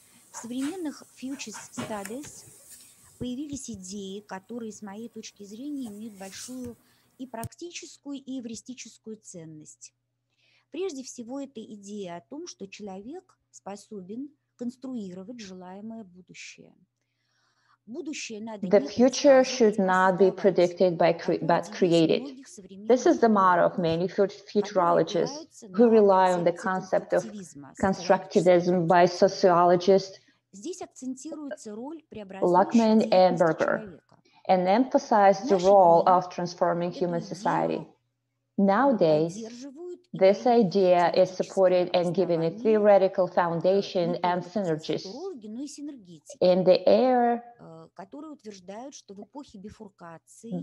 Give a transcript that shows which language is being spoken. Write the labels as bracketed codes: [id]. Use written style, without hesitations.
[ru] В современных futures studies появились идеи, которые, с моей точки зрения, имеют большую и практическую, и эвристическую ценность. Прежде всего, это идея о том, что человек способен конструировать желаемое будущее. [en] The future should not be predicted by but created. This is the motto of many futurologists who rely on the concept of constructivism by sociologists Luckman and Berger and emphasize the role of transforming human society. Nowadays, this idea is supported and given a theoretical foundation and synergies in the era, [ru] которые утверждают, что в эпохе бифуркации,